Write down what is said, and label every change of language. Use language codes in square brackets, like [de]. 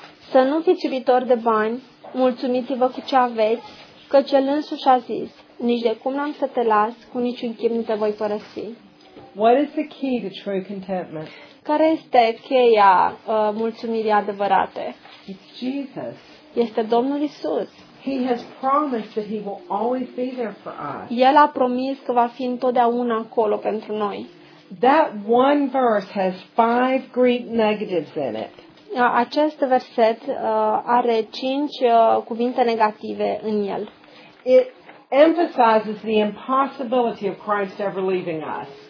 [ro] Să nu fiți iubitori de bani, mulțumiți-vă cu ce aveți, că cel însuși a zis, nici de cum n-am să te las, cu niciun chip nu te voi părăsi. [en] What is the key to true contentment? [ro] Care este cheia mulțumirii adevărate? [en] It's Jesus. [ro] Este Domnul Isus. [en] He has promised that he will always be there for us. [ro] El a promis că va fi întotdeauna acolo pentru noi. [en] That one verse has 5 Greek negatives in it. [ro] Acest verset are 5 cuvinte negative în el. [en] It emphasizes the impossibility of Christ ever leaving us.